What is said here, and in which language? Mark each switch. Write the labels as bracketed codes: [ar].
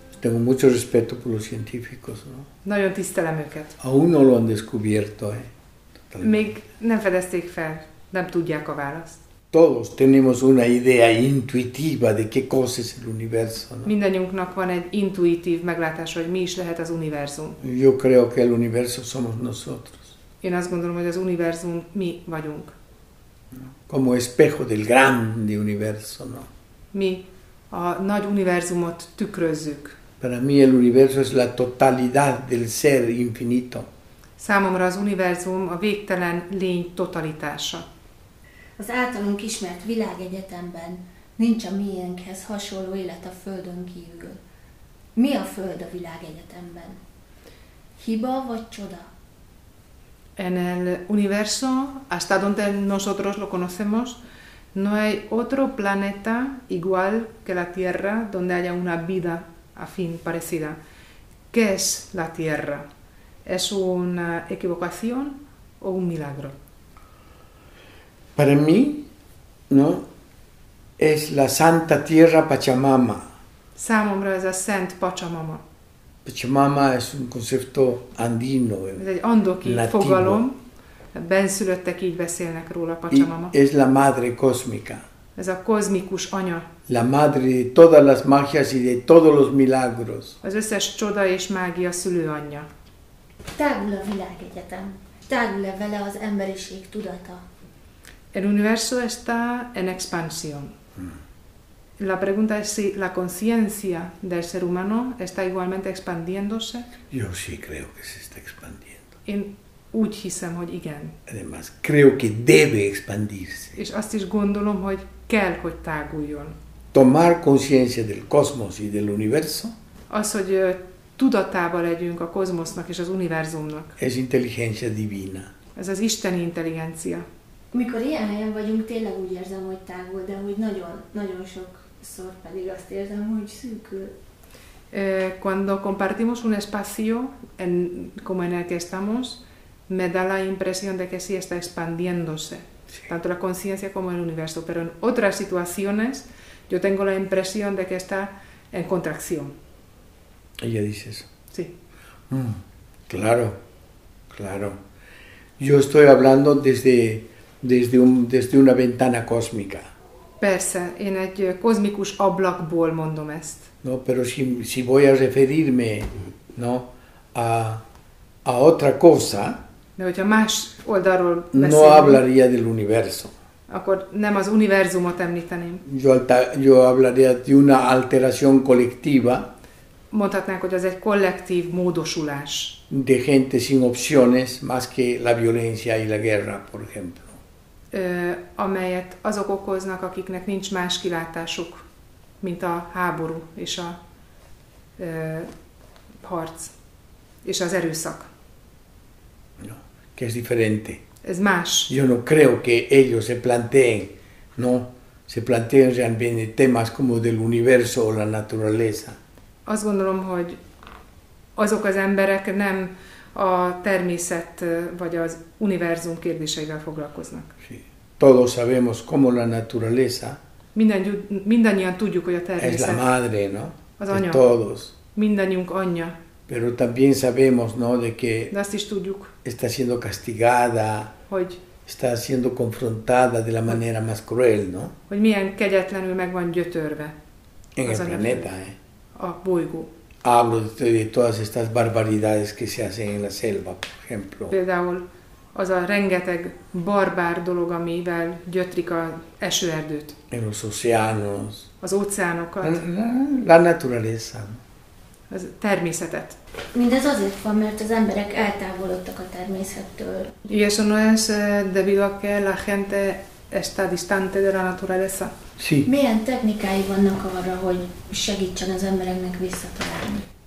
[es] Tengo mucho respeto por los científicos, ¿no? [hu] Nagyon tisztelem őket. [es] Aún no lo han descubierto, Totalmente. [hu] Még nem fedezték fel, nem tudják a választ. [es] Todos tenemos una idea intuitiva de qué cosa es el universo, ¿no? [hu] Mindannyiunknak van egy intuitív meglátása, hogy mi is lehet az univerzum. [es] Yo creo que el universo somos nosotros. [hu] Én azt gondolom, hogy az univerzum mi vagyunk. [es] Como espejo del grande universo, ¿no? [hu] Mi a nagy univerzumot tükrözzük. [es] Para mí el universo es la totalidad del ser infinito. [hu] Számomra az univerzum a végtelen lény totalitása. Az általunk ismert világegyetemben nincs a miénkhez hasonló élet a Földön kívül. Mi a Föld a világegyetemben? Hiba vagy csoda? [es] En el universo, hasta donde nosotros lo conocemos, no hay otro planeta igual que la Tierra donde haya una vida afín, parecida. ¿Qué es la Tierra? ¿Es una equivocación o un milagro? Para mí, ¿no? Es la Santa Tierra Pachamama. [hu] Számomra ez a Szent Pachamama. [es] Pachamama es un concepto andino. [hu] Ez egy andoki fogalom. Benszülöttek így beszélnek róla, Pachamama. [es] Es la madre cósmica. [hu] Ez a kozmikus anya. [es] La madre de todas las magias y de todos los milagros. [hu] Az összes csoda és mágia szülőanyja. Tágul a világegyetem. Tágul-e vele az emberiség tudata? [es] El universo está en expansión. La pregunta es si la conciencia del ser humano está igualmente expandiéndose. Yo sí creo que se está expandiendo. [hu] Én úgy hiszem, hogy igen. [es] Además, creo que debe expandirse. [hu] És azt is gondolom, hogy kell, hogy táguljon. [es] Tomar conciencia del cosmos y del universo. [hu] Az, hogy tudatába legyünk a kozmosznak és az univerzumnak. [es] Es inteligencia divina. [hu] Ez az isteni intelligencia. Mikor ilyen helyen vagyunk, tényleg úgy érzem, hogy tágul, de hogy nagyon, nagyon sokszor pedig azt érzem, hogy szűkül. [es] Cuando compartimos un espacio, como en el que estamos, me da la impresión de que sí está expandiéndose, sí. Tanto la conciencia como el universo. Pero en otras situaciones, yo tengo la impresión de que está en contracción. Ella dice eso. Sí. Claro, claro. Yo estoy hablando desde una ventana cósmica. [hu] Persze, én egy kozmikus ablakból mondom ezt. [es] No, pero si voy a referirme, no, a otra cosa. [hu] De hogyha más oldalról beszélünk. [es] No hablaría del universo. [hu] Akkor nem az univerzumot említeném. [es] Yo hablaría de una alteración colectiva. [hu] Mondhatnánk, hogy az egy kollektív módosulás. [es] De gente sin opciones, más que la violencia y la guerra, por ejemplo. [hu] Amelyet azok okoznak, akiknek nincs más kilátásuk, mint a háború és a harc és az erőszak. [es] No, que es diferente. [hu] Ez más. [es] Yo no creo que ellos se planteen realmente temas como del universo o la naturaleza. [hu] Azt gondolom, hogy azok az emberek nem a természet vagy az univerzum kérdéseivel foglalkoznak. [es] Todos sabemos cómo la naturaleza. [hu] Mindannyian tudjuk, hogy a természet. [es] Es la madre, ¿no? [hu] Az anya. [es] Todos. [hu] Mindannyiunk anyja. [es] Pero también sabemos, ¿no? De que. [hu] De azt is tudjuk. [es] Está siendo castigada. [hu] Hogy. [es] Está siendo confrontada de la manera más cruel, ¿no? [hu] Hogy milyen kegyetlenül meg van gyötörve. [es] En el planeta, ¿eh? [hu] A bolygó. [es] Hablo de todas estas barbaridades que se hacen en la selva, por ejemplo. [hu] Például az a rengeteg barbár dolog, amivel gyötrik az esőerdőt. [es] En los océanos. [hu] Az óceánokat. [es] La naturaleza. [hu] Az természetet. Mindez azért van, mert az emberek eltávolodtak a természettől. [es] Y eso no es debido a que la gente está distante de la naturaleza. Sí. [hu] Milyen technikái vannak arra, hogy segítsen az embereknek visszatalálni?